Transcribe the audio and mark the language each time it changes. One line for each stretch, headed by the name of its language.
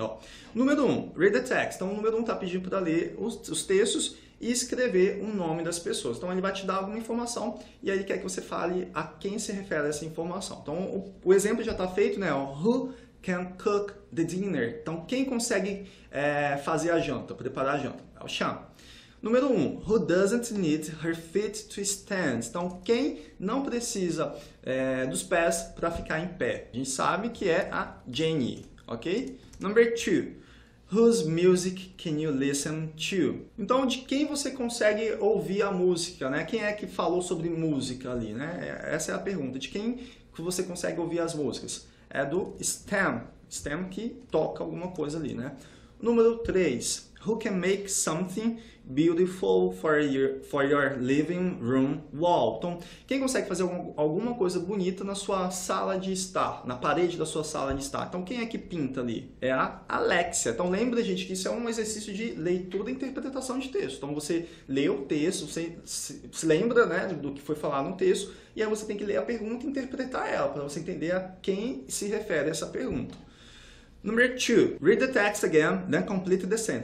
Portuguese: Ó, número 1,
English: read the text.
Portuguese: Então o número 1 está pedindo para ler os textos e escrever o nome das pessoas. Então ele vai te dar alguma informação e aí ele quer que você fale a quem se refere essa informação. Então o exemplo já está feito, né?
English: Who can cook the dinner?
Portuguese: Então, quem consegue fazer a janta, preparar a janta? É o chá. Número 1,
English: who doesn't need her feet to stand?
Portuguese: Então, quem não precisa dos pés para ficar em pé? A gente sabe que é a Jenny, ok?
English: Number 2, whose music can you listen to?
Portuguese: Então, de quem você consegue ouvir a música, né? Quem é que falou sobre música ali, né? Essa é a pergunta, de quem você consegue ouvir as músicas? É do stem. Stem que toca alguma coisa ali, né? Número 3.
English: Who can make something beautiful for your living room wall?
Portuguese: Então, quem consegue fazer alguma coisa bonita na sua sala de estar? Na parede da sua sala de estar? Então, quem é que pinta ali? É a Alexia. Então, lembra, gente, que isso é um exercício de leitura e interpretação de texto. Então, você lê o texto, você se lembra, né, do que foi falado no texto. E aí, você tem que ler a pergunta e interpretar ela, para você entender a quem se refere essa pergunta.
English: Number 2. Read the text again, then complete the sentence.